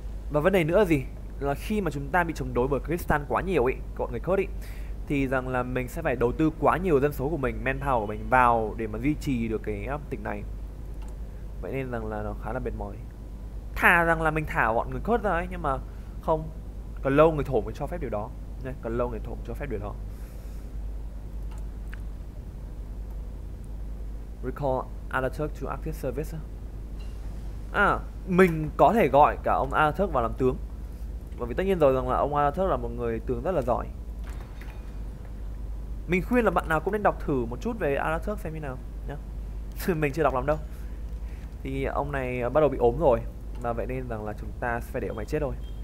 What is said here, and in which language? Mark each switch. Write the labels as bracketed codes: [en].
[vi] Và vấn đề nữa gì là khi mà chúng ta bị chống đối bởi Kurdistan quá nhiều ấy, bọn người Kurd ấy, thì rằng là mình sẽ phải đầu tư quá nhiều dân số của mình, manpower của mình vào để mà duy trì được cái tỉnh này. Vậy nên rằng là nó khá là mệt mỏi. Thà rằng là mình thả bọn người Kurd ra ấy, nhưng mà không, còn lâu người thổ mới cho phép điều đó. Đây, còn lâu người thổ mới cho phép điều đó. [en] Recall Atatürk to active service. [vi] À, mình có thể gọi cả ông Atatürk vào làm tướng. Bởi vì tất nhiên rồi rằng là ông Atatürk là một người tướng rất là giỏi. Mình khuyên là bạn nào cũng nên đọc thử một chút về Atatürk xem như nào nhá. Mình chưa đọc lắm đâu. Thì ông này bắt đầu bị ốm rồi, mà vậy nên rằng là chúng ta sẽ phải để ông này chết thôi.